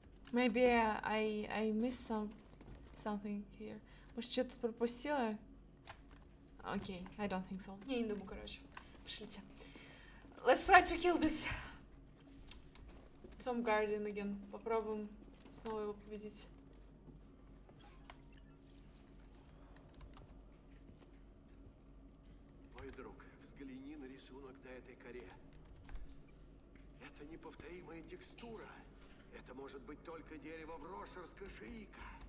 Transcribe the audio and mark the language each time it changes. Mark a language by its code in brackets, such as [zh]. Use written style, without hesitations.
[en] Maybe I missed something here. [ru] Может, что-то пропустила? [en] Окей, okay, I don't think so. [ru] Не, не думаю, короче. Пошлите. [en] Let's try to kill this Tomb Guardian again. [ru] Попробуем снова его победить. Мой друг, взгляни на рисунок на этой коре. Это неповторимая текстура. Это может быть только дерево Фрошерская Шиика.